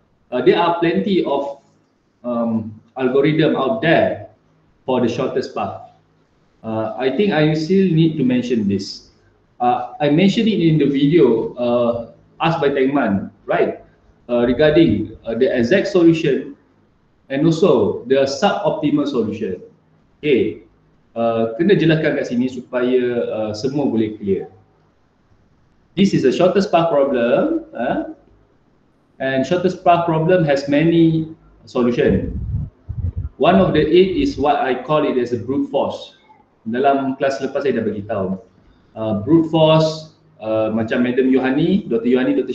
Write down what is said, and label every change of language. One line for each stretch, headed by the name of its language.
English: There are plenty of algorithm out there for the shortest path. I think I still need to mention this. I mentioned it in the video asked by Tengman, right? Regarding the exact solution and also the suboptimal solution.
Malay: Okay, kena jelaskan kat sini supaya semua boleh clear.
English: This is a shortest path problem, and shortest path problem has many solution. One of the eight is what I call it as a brute force.
Malay: Dalam kelas lepas saya dah beritahu. Brute force, macam Madam Yohani, Dr. Yohani, Dr.